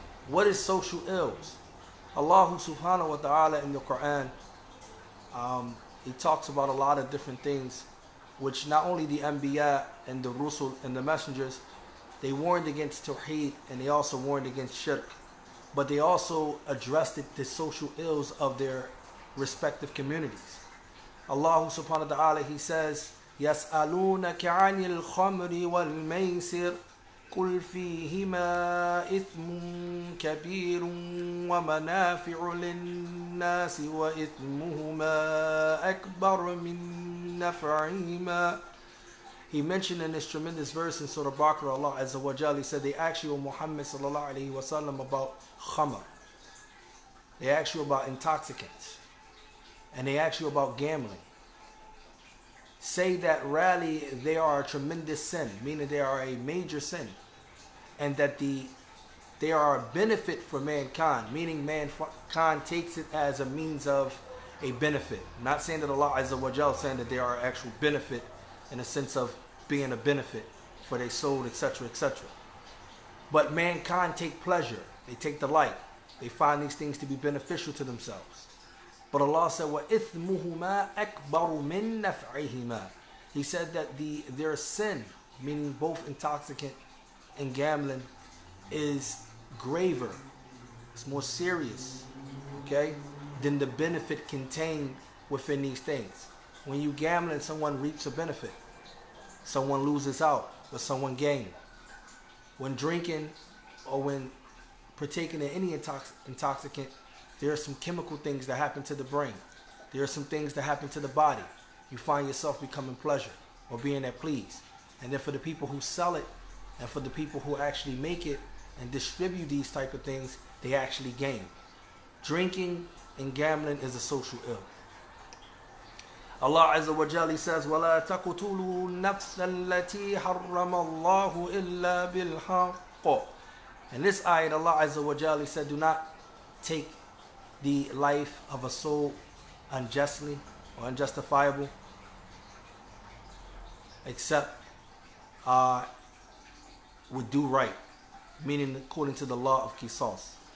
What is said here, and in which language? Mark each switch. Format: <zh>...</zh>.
<en>What is social ills? Allah subhanahu wa ta'ala in the Quran, he talks about a lot of different things which not only the Anbiya and the Rusul and the Messengers, they warned against Tawheed and they also warned against Shirk. But they also addressed the social ills of their respective communities.</en> <ar>Allah subhanahu wa ta'ala,</ar> <en>he says,</en> <ar>يَسْأَلُونَكَ عَنِ الْخَمْرِ وَالْمَيْسِرِ قُلْ فِيهِمَا إِثْمٌ كَبِيرٌ وَمَنَافِعُ لِلنَّاسِ وَإِثْمُهُمَا أَكْبَرُ مِنْ نَفْعِهِمَا.</ar> <en>He mentioned in this tremendous verse in Surah Baqarah, Allah Azza wa Jal, he said, they asked you, O Muhammad sallallahu alayhi wa sallam, about khamr. They asked you about intoxicants. And they asked you about gambling. Say that rally, they are a tremendous sin, meaning they are a major sin. And that they are a benefit for mankind, meaning mankind takes it as a means of a benefit. Not saying that Allah Azza wa Jal, saying that they are actual benefit in a sense of being a benefit for their soul, etc., etc. But mankind take pleasure, they take delight, they find these things to be beneficial to themselves. But Allah said,</en> <ar>وَإِثْمُهُمَا أَكْبَرُ مِن نَفْعِهِمَا.</ar> <en>He said that their sin, meaning both intoxicant and gambling, is graver, it's more serious, okay, than the benefit contained within these things. When you gamble and someone reaps a benefit, someone loses out, but someone gains. When drinking or when partaking in any intoxicant, there are some chemical things that happen to the brain. There are some things that happen to the body. You find yourself becoming pleasure or being at please. And then for the people who sell it and for the people who actually make it and distribute these type of things, they actually gain. Drinking and gambling is a social ill.</en> <ar>Allah Azza wa Jalla says, وَلَا تَقْتُلُوا النَّفْسَ الَّتِي حَرَّمَ اللَّهُ إِلَّا بِالْحَقُّ.</ar> <en>In this ayat, Allah Azza wa Jalla said, do not take the life of a soul unjustly or unjustifiable, except with due right, meaning according to the law of Qisas.</en>